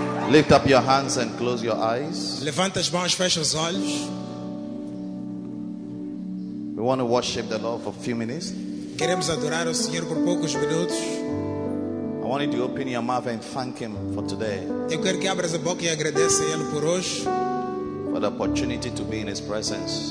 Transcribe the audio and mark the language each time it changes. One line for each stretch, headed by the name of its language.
English: Lift up your hands and close your eyes.
Portuguese: Levanta as mãos, fecha os olhos.
English: We want to worship the Lord for a few minutes.
Portuguese: Queremos adorar o Senhor por poucos minutos.
English: I want you to open your mouth and thank Him for today.
Portuguese: Eu quero que abras a boca e agradeça a Ele por hoje.
English: For the opportunity to be in His presence.